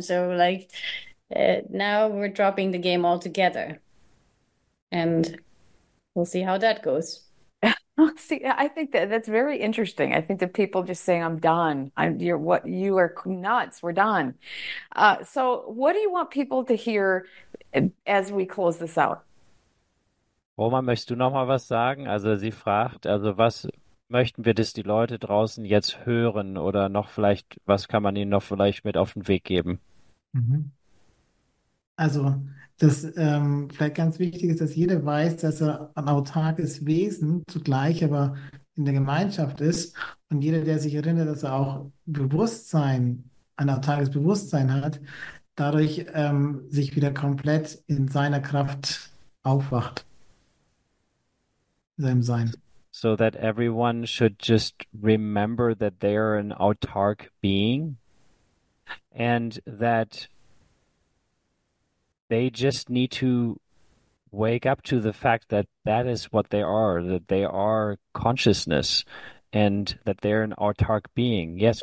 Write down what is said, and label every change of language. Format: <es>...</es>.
<en>So like now we're dropping the game altogether, and we'll see how that goes. See, I think that that's very interesting. I think that people just saying, "I'm done. You are nuts. We're done." So, what do you want people to hear as we close this out?</en> <de>Roman, möchtest du noch mal was sagen? Also sie fragt, also was möchten wir, dass die Leute draußen jetzt hören oder noch vielleicht, was kann man ihnen noch vielleicht mit auf den Weg geben? Also, das vielleicht ganz wichtig ist, dass jeder weiß, dass er ein autarkes Wesen zugleich aber in der Gemeinschaft ist. Und jeder, der sich erinnert, dass er auch Bewusstsein, ein autarkes Bewusstsein hat, dadurch sich wieder komplett in seiner Kraft aufwacht, seinem Sein.</de> <en>So that everyone should just remember that they are an autark being and that they just need to wake up to the fact that that is what they are, that they are consciousness and that they're an autark being, yes,</en>